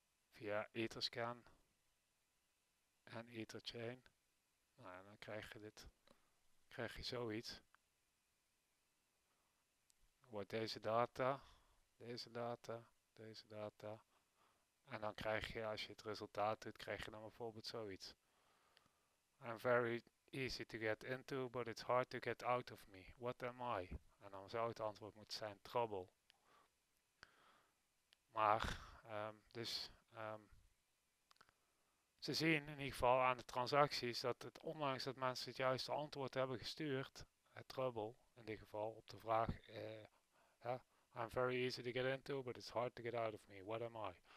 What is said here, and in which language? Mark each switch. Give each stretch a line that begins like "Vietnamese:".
Dutch: Via Etherscan en Etherchain. Nou, en dan krijg je dit. Krijg je zoiets. Wordt deze data. Deze data, deze data. En dan krijg je, als je het resultaat doet, krijg je dan bijvoorbeeld zoiets.
English: I'm very easy to get into, but it's hard to get out of me. What am I?
Dutch: En dan zou het antwoord moeten zijn, trouble. Maar, dus, ze zien in ieder geval aan de transacties dat het, ondanks dat mensen het juiste antwoord hebben gestuurd, het trouble, in dit geval, op de vraag,
English: I'm very easy to get into, but it's hard to get out of me. What am I?